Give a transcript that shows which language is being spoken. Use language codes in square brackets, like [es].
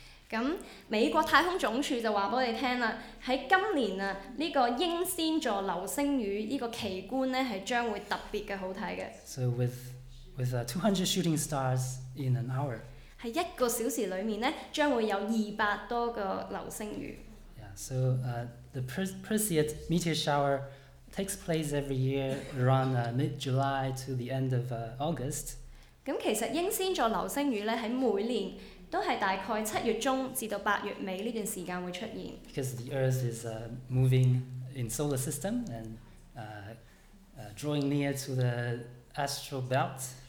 [yue] 咁美國太空總署就話俾我哋聽啦，喺今年啊呢個英仙座流星雨呢個奇觀咧，係將會特別嘅好睇嘅。 [en] So with 200 shooting stars in an hour. [yue] 喺一個小時裡面咧，將會有200多個流星雨。 [en] Yeah, so the Perseid meteor shower takes place every year around mid-July to the end of August. [yue] 咁其實英仙座流星雨咧，喺每年都係大概七月中至到八月尾呢段時間會出現。 [en] Because the Earth is moving in solar system and drawing near to the astral belt.